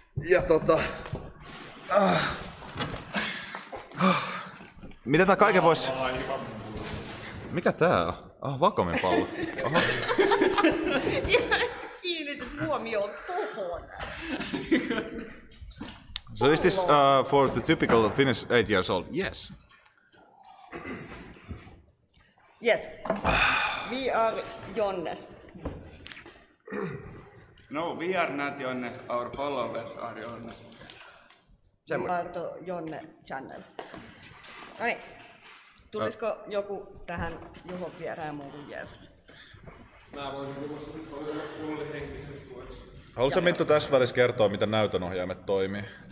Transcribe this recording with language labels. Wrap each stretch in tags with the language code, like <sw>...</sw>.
<fi>Ja mitä tää kaiken voisi... Mikä tää on? Ah, Vakamin pallo. Kiinnitit huomioon tohon.</fi> <en>So is this for the typical Finnish 8 years old? Yes. Yes. We are Jonnes. No, we are not Jonnes. Our followers are Jonnes.</en> <fi>Arto Jonne Channel. No niin. Tulisiko joku tähän Juhon vierään muun kuin Jeesus? Mä voisin kuulla kuulle henkisesti tueksi. Haluatko Minttu tässä välissä kertoa, miten näytönohjaimet toimii?</fi>